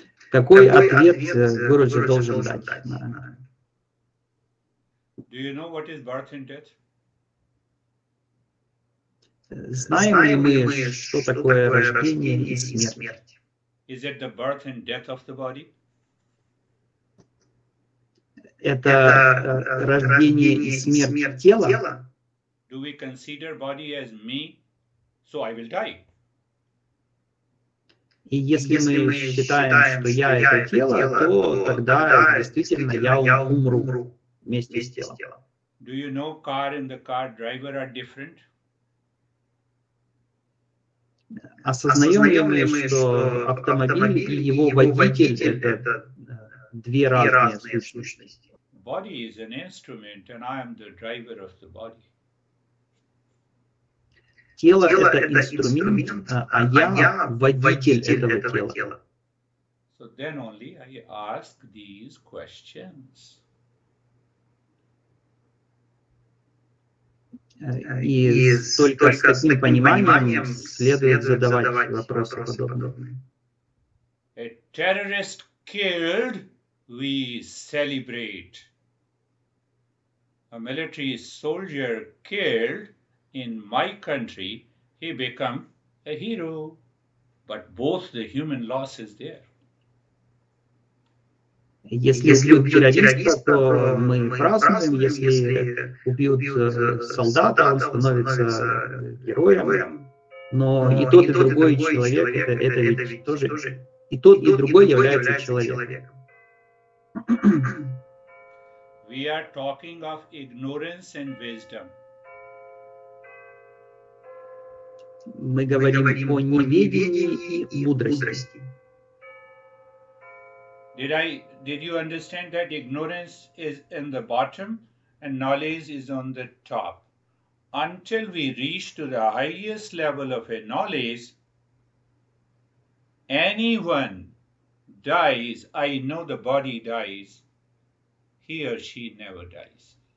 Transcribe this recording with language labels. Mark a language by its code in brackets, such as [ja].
[ru] Какой ответ Гуруджи должен дать? [en] Do you know what is birth and death? [ru] Знаем ли мы, что такое рождение и смерть? [en] Is it the birth and death of the body? [ru] Это рождение и смерть тела? [en] Do we consider body as me, so I will die? [ru] И если мы считаем, что я это тело, то тогда действительно я умру вместе с телом. [en] Do you know car and the car driver are different? [ru] Осознаем ли мы, что автомобиль и его водитель это две разные сущности? [en] Body is an instrument, and I am the driver of the body. [ru] Тело – это инструмент, а я – водитель этого тела. [en] So then only I ask these questions. [ru] И только с таким пониманием следует задавать вопросы подобные. [en] A terrorist killed, we celebrate. A military soldier killed, in my country, he become a hero, but both the human loss is there. [ru] Если убьют террориста, то мы празднуем. Если убьют солдата, он становится героем. Но и тот, и другой человек, это ведь тоже. И тот, и другой является человеком. [en] We are talking of ignorance and wisdom. [ru] Мы говорим, о неведении и мудрости. [en] Did you understand that ignorance is in the bottom and knowledge is on the top? Until we reach to the highest level of a knowledge, anyone dies, I know the body dies, he or she never dies.